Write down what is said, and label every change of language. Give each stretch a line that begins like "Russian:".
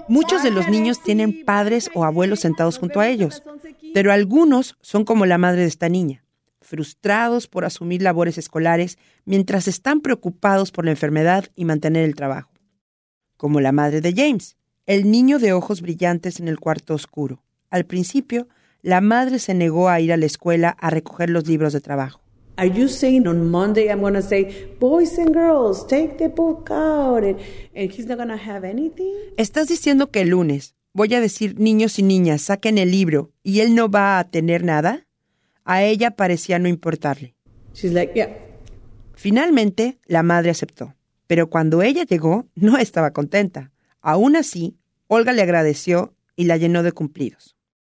Spanish: Muchos de los niños tienen padres o abuelos sentados junto a ellos, pero algunos son como la madre de esta niña, frustrados por asumir labores escolares mientras están preocupados por la enfermedad y mantener el trabajo. Como la madre de James, el niño de ojos brillantes en el cuarto oscuro. Al principio, la madre se negó a ir a la escuela a recoger los libros de trabajo.
English: Are you saying on Monday I'm going to say, boys and girls, take the book out, and he's not going to have anything?
Spanish: ¿Estás diciendo que el lunes voy a decir, niños y niñas, saquen el libro, y él no va a tener nada? A ella parecía no importarle.
English: She's like, yeah.
Spanish: Finalmente, la madre aceptó. Pero cuando ella llegó, no estaba contenta. Aún así, Olga le agradeció y la llenó de cumplidos.